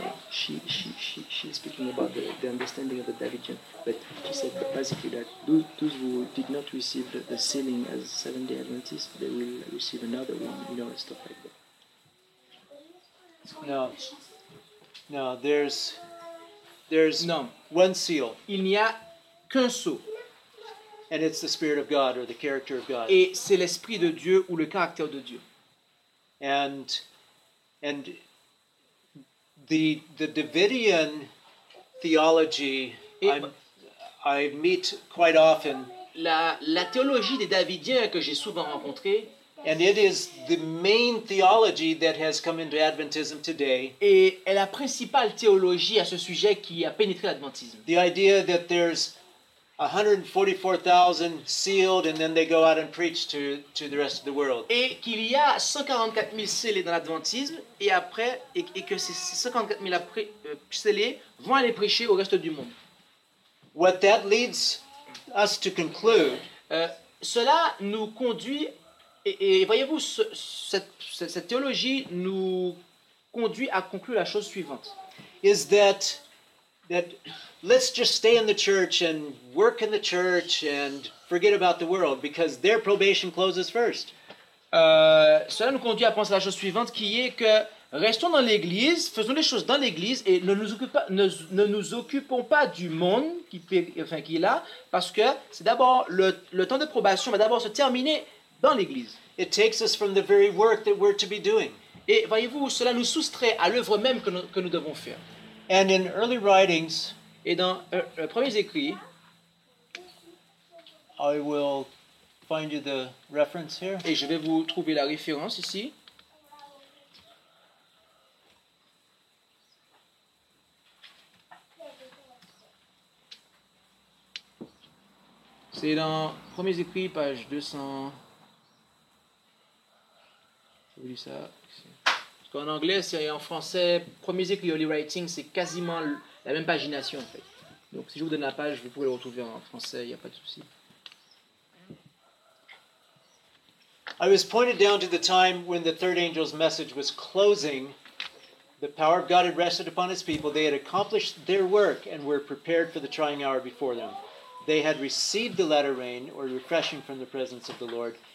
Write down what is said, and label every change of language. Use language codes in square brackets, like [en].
[en] She is speaking about the understanding of the Davidian, but she said basically that those who did not receive the sealing as Seventh-day Adventists, they will receive another one, and stuff like that. No, there's no one seal. [fr] Il n'y a qu'un sceau. [en] And it's the Spirit of God or the character of God. [fr] Et c'est l'Esprit de Dieu ou le caractère de Dieu. [en] And the Davidian theology I meet quite often. [fr] La théologie des Davidiens que j'ai souvent rencontrée. [en] And it is the main theology that has come into Adventism today. [fr] Et est la principale théologie à ce sujet qui a pénétré l'adventisme. [en] The idea that there's 144,000 sealed, and then they go out and preach to the rest of the world. [fr] Et qu'il y a 144,000 scellés dans l'adventisme, et après, et que ces 54,000 après scellés vont aller prêcher au reste du monde. [en] What that leads us to conclude. [fr] Cela nous conduit, et voyez-vous, cette théologie nous conduit à conclure la chose suivante. [en] Is that that let's just stay in the church and work in the church and forget about the world because their probation closes first. [fr] Cela nous conduit à penser à la chose suivante qui est que restons dans l'église, faisons les choses dans l'église et ne nous occupons pas du monde qui est là parce que c'est d'abord le temps de probation va d'abord se terminer dans l'église. [en] It takes us from the very work that we're to be doing. [fr] Et voyez-vous, cela nous soustrait à l'œuvre même que nous devons faire. [en] And in early writings, [fr] et dans les premiers écrits, [en] I will find you the reference here. Et je vais vous trouver la référence ici. [fr] C'est dans premiers écrits, page 200. Je vous lis ça. En anglais et en français, premiers écrits, early writing, c'est quasiment la même pagination en fait. Donc si je vous donne la page, vous pouvez le retrouver en français, il n'y a pas de souci. [en] I was pointed down to the time when the third angel's message was closing. The power of God had rested upon his people. They had accomplished their work and were prepared for the trying hour before them. They had received the latter rain or refreshing from the presence of the Lord.